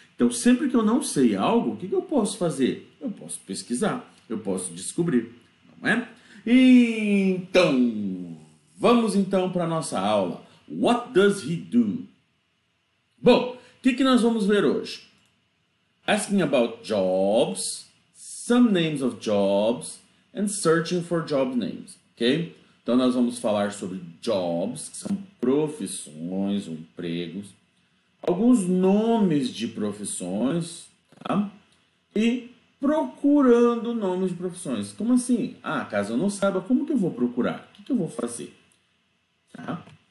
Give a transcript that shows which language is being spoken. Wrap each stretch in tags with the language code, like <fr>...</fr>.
<pt>Então, sempre que eu não sei algo, o que que eu posso fazer? Eu posso pesquisar, eu posso descobrir, não é? Então, vamos então para a nossa aula.</pt> <en>What does he do?</en> <pt>Bom, o que que nós vamos ver hoje?</pt> <en>Asking about jobs, some names of jobs, and searching for job names, ok?</en> <pt>Então nós vamos falar sobre jobs, que são profissões ou empregos, alguns nomes de profissões, tá? E procurando nomes de profissões. Como assim? Ah, caso eu não saiba, como que eu vou procurar? O que que eu vou fazer? Tá?</pt>